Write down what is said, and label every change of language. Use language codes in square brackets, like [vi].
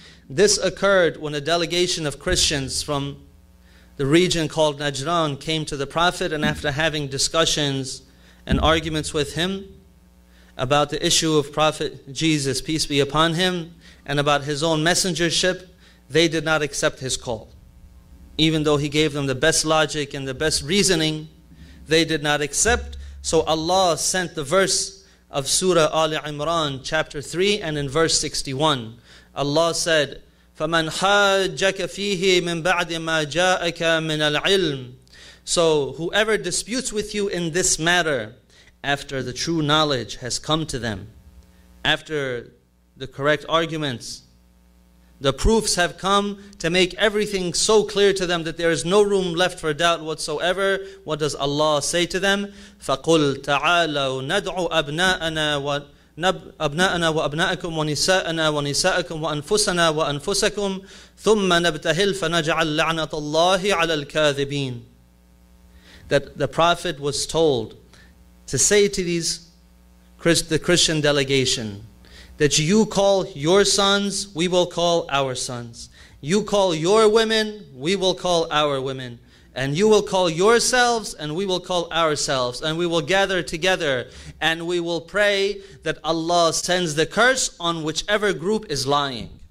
[en] This occurred when a delegation of Christians from the region called Najran came to the Prophet, and after having discussions and arguments with him about the issue of Prophet Jesus, peace be upon him, and about his own messengership, they did not accept his call. Even though he gave them the best logic and the best reasoning, they did not accept. So Allah sent the verse of Surah Ali Imran, chapter 3, and in verse 61. Allah said, [ar] فَمَنْ حَاجَّكَ فِيهِ مِنْ بَعْدِ مَا جَاءَكَ مِنَ الْعِلْمِ. [en] So whoever disputes with you in this matter, after the true knowledge has come to them, after the correct arguments, the proofs have come to make everything so clear to them that there is no room left for doubt whatsoever, what does Allah say to them? [ar] فَقُلْ تَعَالَوْ نَدْعُ أَبْنَاءَنَا أبناءنا وأبناءكم ونساءنا ونساءكم وأنفسنا وأنفسكم ثم نبتهل فنجعل لعنة الله على الكاذبين. [en] That the Prophet was told to say to the Christian delegation, that you call your sons, we will call our sons. You call your women, we will call our women. And you will call yourselves, and we will call ourselves, and we will gather together, and we will pray that Allah sends the curse on whichever group is lying.